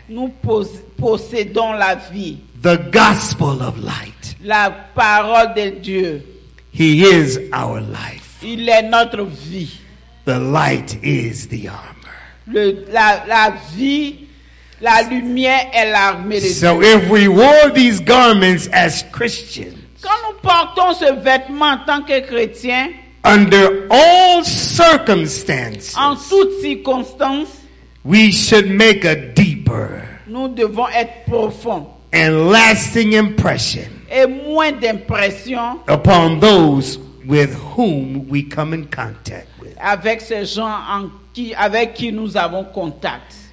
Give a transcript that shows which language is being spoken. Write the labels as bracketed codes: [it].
[fr] Nous possédons la vie. [en] The gospel of light. [fr] La parole de Dieu. [en] He is our life. [fr] Il est notre vie. [en] The light is the armor. [fr] La vie, la lumière est l'armée de Dieu. [en] So if we wore these garments as Christians, [fr] quand nous portons ce vêtement en tant que chrétien, [en] under all circumstances, [fr] en toutes circonstances, [en] we should make a deeper, [fr] nous devons être profond, [en] and lasting impression, [fr] et moins d'impression, [en] upon those with whom we come in contact. [fr] Avec ces gens avec qui nous avons contact.